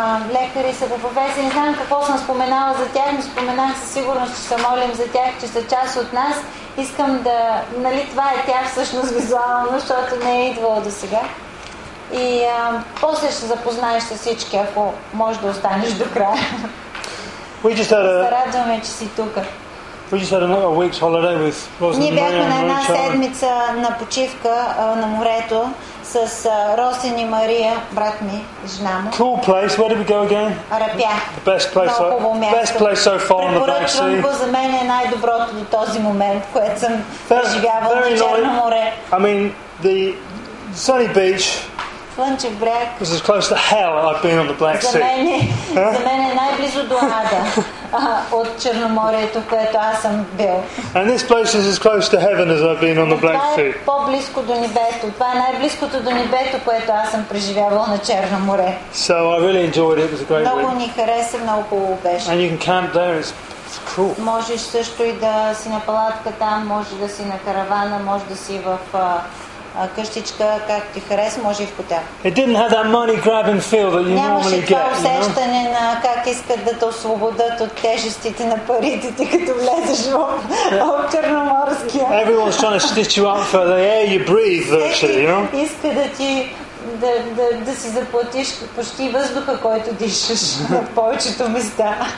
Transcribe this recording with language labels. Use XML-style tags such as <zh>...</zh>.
<bg>Лекари са го повезли. Не знам какво съм споменала за тях, но споменах със сигурност, че се молим за тях, че са част от нас. Искам да... Нали, това е тя всъщност визуално, защото не е идвала до сега. И после ще запознаеш с всички, ако можеш да останеш до края. Зарадваме, че си тук.</bg> <en>We just had a week's holiday with Rosie and Maria.</en> <bg>Ние бяхме на една седмица на почивка на морето с Росин и Мария, брат ми, жена му.</bg> <en>Cool place. Where did we go again?</en> <bg>Арапя.</bg> <en>The best place. Best place so far on the Black Sea.</en> <bg>Препоръчвам го, за мен е най-доброто до този момент, което съм преживявал на Черно море.</bg> <en>I mean, the sunny beach.</en> <bg>Слънчев бряг.</bg> <en>It was as close to hell I've been on the Black Sea.</en> <bg>За мен е най-близо до ада от Черноморието, в което аз съм бил.</bg> <en>And this place is as close to heaven as I've been on the Black Sea.</en> <bg>Това е по-близко до небето. Това е най-близкото до небето, което аз съм преживявал на Черно море.</bg> <en>So I really enjoyed it. It was a great</en> <bg>Много ни хареса, много хубаво беше.</bg> <en>And you can camp there. It's cool.</en> <bg>Можеш също и да си на палатка там, може да си на каравана, може да си в къщичка, как ти харес, може и в хотел.</bg> <en>It didn't have that money grabbing feel that you normally get.</en> <bg>Нямаше това усещане на как искат да те освободят от тежестите на парите, ти като влезеш в Черноморския.</bg> <en>Everyone's trying to stitch you up for the air you breathe, virtually, you know?</en> <bg>Иска да ти да си заплатиш почти въздуха, който дишаш на повечето места.</bg>